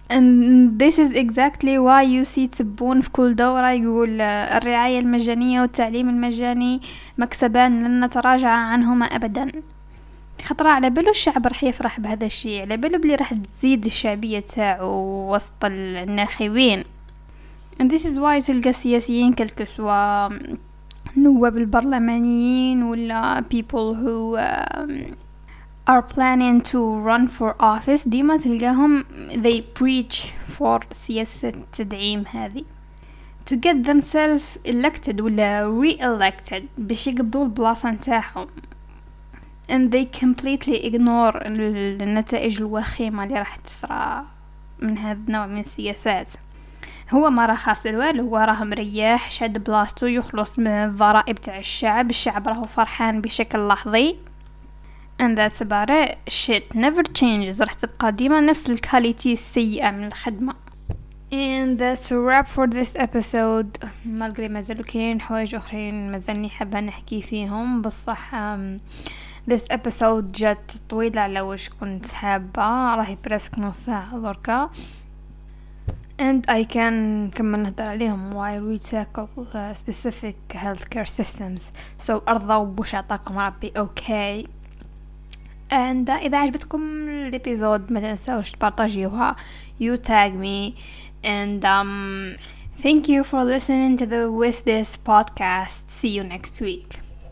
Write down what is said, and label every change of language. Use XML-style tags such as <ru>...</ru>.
<en>And this is exactly why you see</en> <ar>تبون في كل دورة يقول الرعاية المجانية والتعليم المجاني مكسبان لن نتراجع عنهما أبدا. خطرة على بالو الشعب رح يفرح بهذا الشيء, على بالو بلي رح تزيد الشعبية تاعو وسط الناخبين.</ar> <en>And this is why</en> <ar>تلقى السياسيين كالكسوا نواب البرلمانيين ولا</ar> <en>people who are planning to run for office</en> <ar>ديما تلقاهم</ar> <en>they preach for</en> <ar>سياسة التدعيم هذه</ar> <en>to get themselves elected ولا re-elected</en> <ar>باش يقبضوا البلاصة نتاعهم.</ar> <en>And they completely ignore</en> <ar>النتائج الوخيمة اللي راح تصرى من هذا النوع من السياسات. هو ما راه خاسر والو, هو راه مرياح شاد بلاستو يخلص من الضرائب تاع الشعب, الشعب راهو فرحان بشكل لحظي.</ar> <en>And that's about it. Shit never changes,</en> <ar>راح تبقى ديما نفس الكاليتي السيئه من الخدمه.</ar> <en>And that's a wrap for this episode.</en> <ar>مالغري مازالو كاين حوايج اخرين مازالني حابه نحكي فيهم, بصح</ar> <en>this episode</en> <ar>جات طويله على واش كنت حابه, راهي برسك نص ساعه دركا.</ar> <en>And I can</en> <ar>كم نهضر عليهم</ar> <en>while we tackle specific healthcare systems.</en> <ar>So أرضوا بوش عطاكم ربي okay. And إذا عجبتكم الإبيزود ما تنسوش تبارتاجيوها.</ar> <en>You tag me. And thank you for listening to the With This podcast. See you next week.</en>